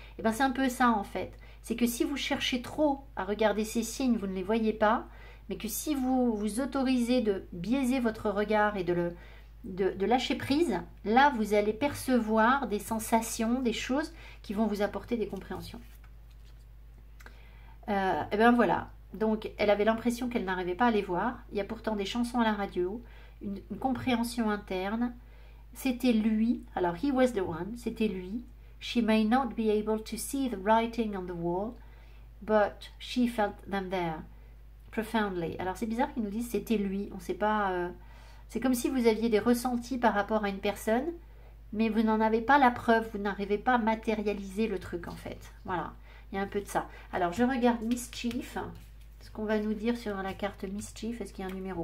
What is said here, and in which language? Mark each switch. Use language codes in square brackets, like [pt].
[fr] Et bien c'est un peu ça en fait. C'est que si vous cherchez trop à regarder ces signes, vous ne les voyez pas, mais que si vous vous autorisez de biaiser votre regard et de lâcher prise, là vous allez percevoir des sensations, des choses qui vont vous apporter des compréhensions. Et bien voilà, donc elle avait l'impression qu'elle n'arrivait pas à les voir. Il y a pourtant des chansons à la radio, une compréhension interne. C'était lui, alors [en] he was the one, [fr] c'était lui. [en] She may not be able to see the writing on the wall, but she felt them there profoundly. [fr] Alors c'est bizarre qu'ils nous disent c'était lui, on sait pas. C'est comme si vous aviez des ressentis par rapport à une personne, mais vous n'en avez pas la preuve, vous n'arrivez pas à matérialiser le truc en fait. Voilà, il y a un peu de ça. Alors je regarde Mischief, ce qu'on va nous dire sur la carte Mischief, est-ce qu'il y a un numéro?